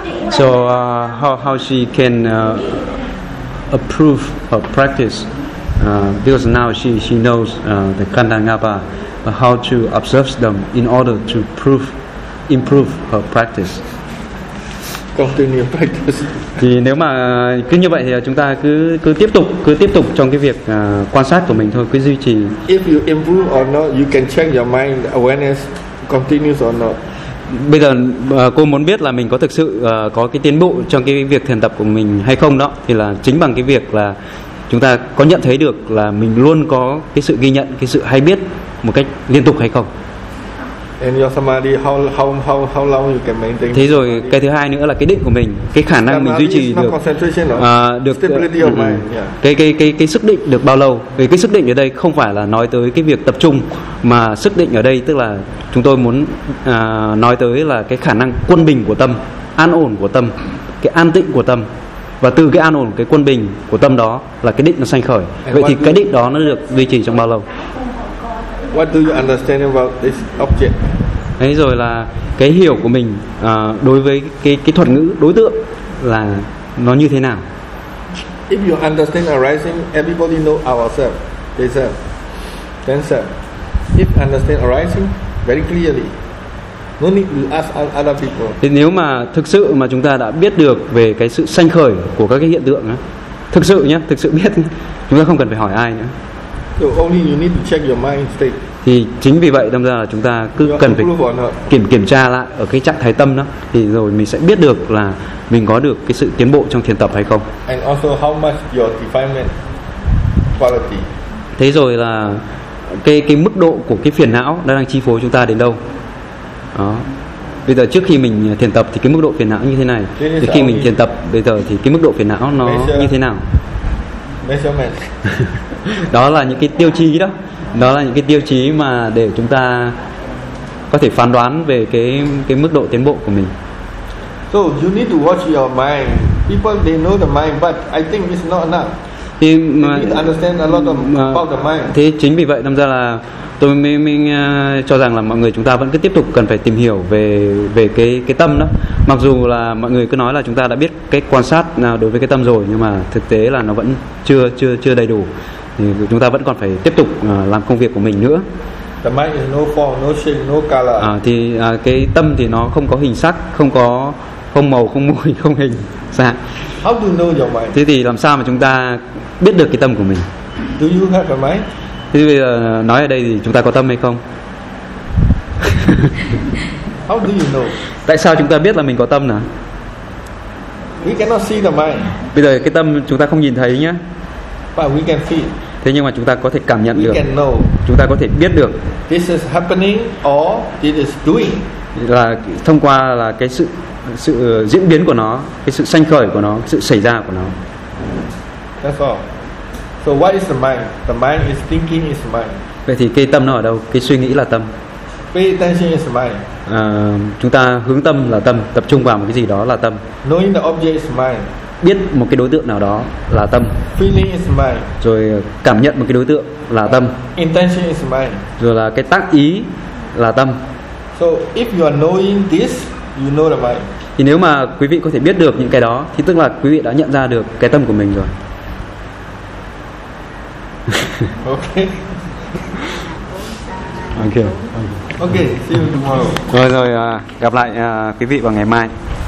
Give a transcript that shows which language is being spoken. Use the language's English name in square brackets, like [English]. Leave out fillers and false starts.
[English] So how she can approve her practice because now she knows the Khandangapa, how to observe them in order to improve her practice. Continue practice. [Vietnamese] Thì nếu mà cứ như vậy thì chúng ta cứ tiếp tục trong cái việc quan sát của mình thôi, cứ duy trì. [English] If you improve or not, you can change your mind awareness continues or not. [Vietnamese] Bây giờ cô muốn biết là mình có thực sự có cái tiến bộ trong cái việc thiền tập của mình hay không đó, thì là chính bằng cái việc là chúng ta có nhận thấy được là mình luôn có cái sự ghi nhận, cái sự hay biết một cách liên tục hay không. [English] And your samadhi, how long you can maintain. [Vietnamese] Thế rồi cái thứ hai nữa là cái định của mình, cái khả năng mình duy trì được được [English] stability of mind. [Vietnamese] Cái sức định được bao lâu. Vì cái sức định ở đây không phải là nói tới cái việc tập trung, mà sức định ở đây tức là chúng tôi muốn nói tới là cái khả năng quân bình của tâm, an ổn của tâm, cái an tịnh của tâm. Và từ cái an ổn, cái quân bình của tâm đó là cái định nó sanh khởi. Vậy thì cái định đó nó được duy trì trong bao lâu? [English] What do you understand about this object? [Vietnamese] Thế rồi là cái hiểu của mình đối với cái thuật ngữ đối tượng là nó như thế nào? [English] If you understand arising, everybody know ourselves, they self, then self. If understand arising very clearly, no need to ask other people. [Vietnamese] Thì nếu mà thực sự mà chúng ta đã biết được về cái sự sanh khởi của các cái hiện tượng á, thực sự nhé, thực sự biết, chúng ta không cần phải hỏi ai nữa. [English] So only you need to check your mind state. [Vietnamese] Thì chính vì vậy đâm ra là chúng ta cứ cần phải kiểm tra lại ở cái trạng thái tâm đó, thì rồi mình sẽ biết được là mình có được cái sự tiến bộ trong thiền tập hay không. [English] And also how much your defilement quality. [Vietnamese] Thế rồi là cái mức độ của cái phiền não nó đang chi phối chúng ta đến đâu. Đó. Bây giờ trước khi mình thiền tập thì cái mức độ phiền não như thế này. Thì khi mình thiền tập bây giờ thì cái mức độ phiền não nó như thế nào? [English] Measurement. [Vietnamese] Đó là những cái tiêu chí đó. Đó là những cái tiêu chí mà để chúng ta có thể phán đoán về cái mức độ tiến bộ của mình. [English] So you need to watch your mind. People they know the mind, but I think it's not enough. [Vietnamese] Thì [English] understand a lot about the mind. [Vietnamese] Thế chính vì vậy đâm ra là tôi mình cho rằng là mọi người chúng ta vẫn cứ tiếp tục cần phải tìm hiểu về cái tâm đó. Mặc dù là mọi người cứ nói là chúng ta đã biết cái quan sát nào đối với cái tâm rồi, nhưng mà thực tế là nó vẫn chưa đầy đủ. Thì chúng ta vẫn còn phải tiếp tục làm công việc của mình nữa. [English] The mind is no form, no shape, no color. [Vietnamese] Cái tâm thì nó không có hình sắc, không có không màu, không mùi, không hình dạng. [English] How do you know your mind? [Vietnamese] Thế thì làm sao mà chúng ta biết được cái tâm của mình? [English] Do you have a mind? [Vietnamese] Thế bây giờ nói ở đây thì chúng ta có tâm hay không? [English] How do you know? [Vietnamese] Tại sao chúng ta biết là mình có tâm nào? [English] We cannot see the mind. [Vietnamese] Bây giờ cái tâm chúng ta không nhìn thấy nhá. [English] But we can feel. [Vietnamese] Thế nhưng mà chúng ta có thể cảm nhận [English] we [Vietnamese] được. [English] We can know. [Vietnamese] Chúng ta có thể biết được. [English] This is happening or it is doing. [Vietnamese] Là thông qua là cái sự diễn biến của nó, cái sự sanh khởi của nó, sự xảy ra của nó. [English] That's all. So what is the mind? The mind is thinking is mind. [Vietnamese] Vậy thì cái tâm nó ở đâu? Cái suy nghĩ là tâm. [English] Pay attention is mind. [Vietnamese] Chúng ta hướng tâm là tâm, tập trung vào một cái gì đó là tâm. [English] Knowing the object is mind. [Vietnamese] Biết một cái đối tượng nào đó là tâm. [English] Feeling is mind. [Vietnamese] Rồi cảm nhận một cái đối tượng là tâm. [English] Intention is mind. [Vietnamese] Rồi là cái tác ý là tâm. [English] So if you are knowing this, you know the mind. [Vietnamese] Thì nếu mà quý vị có thể biết được những cái đó thì tức là quý vị đã nhận ra được cái tâm của mình rồi. [English] Okay. Okay. Okay. See you tomorrow. [Vietnamese] Rồi rồi, gặp lại quý vị vào ngày mai.